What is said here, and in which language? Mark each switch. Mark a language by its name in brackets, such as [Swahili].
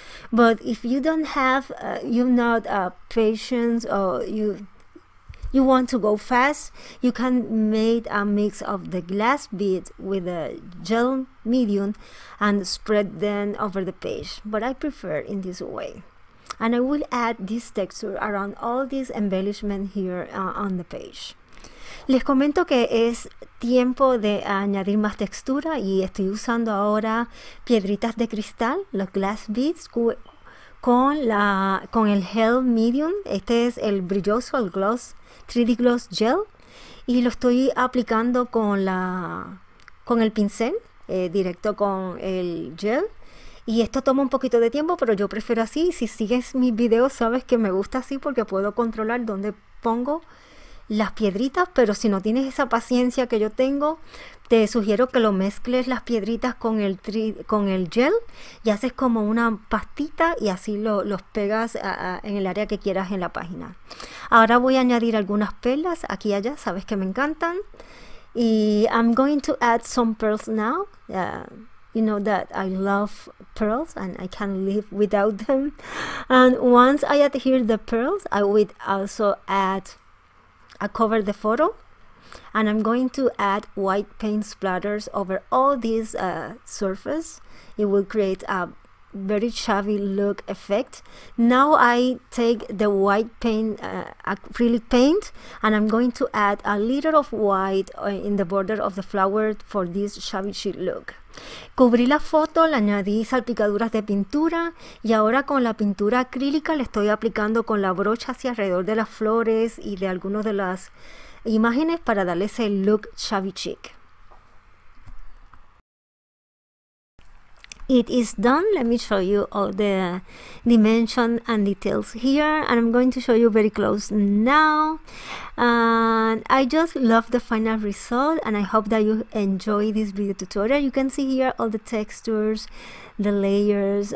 [English] But if you don't have you're not patient, or you want to go fast, you can make a mix of the glass bead with a gel medium and spread them over the page. But I prefer in this way. And I will add this texture around all this embellishment here on the page. [Spanish] Les comento que es tiempo de añadir más textura y estoy usando ahora piedritas de cristal, los glass beads, con el gel medium. Este es el brilloso, el gloss, 3D gloss gel. Y lo estoy aplicando con el pincel, directo con el gel. Y esto toma un poquito de tiempo, pero yo prefiero así. Si sigues mis videos, sabes que me gusta así porque puedo controlar dónde pongo las piedritas. Pero si no tienes esa paciencia que yo tengo, te sugiero que lo mezcles las piedritas con el gel y haces como una pastita y así los pegas en el área que quieras en la página. Ahora voy a añadir algunas perlas aquí y allá, sabes que me encantan. [English] Y I'm going to add some pearls now. You know that I love pearls and I can't live without them. And once I adhere the pearls, I would also add, I cover the photo, and I'm going to add white paint splatters over all this surface. It will create a very shabby look effect. Now I take the white paint, acrylic paint, and I'm going to add a little of white in the border of the flower for this shabby chic look. [Spanish] Cubrí la foto, le añadí salpicaduras de pintura y ahora con la pintura acrílica le estoy aplicando con la brocha hacia alrededor de las flores y de algunas de las imágenes para darle ese look shabby chic. [English] It is done. Let me show you all the dimension and details here, and I'm going to show you very close now. And I just love the final result, and I hope that you enjoy this video tutorial. You can see here all the textures, the layers.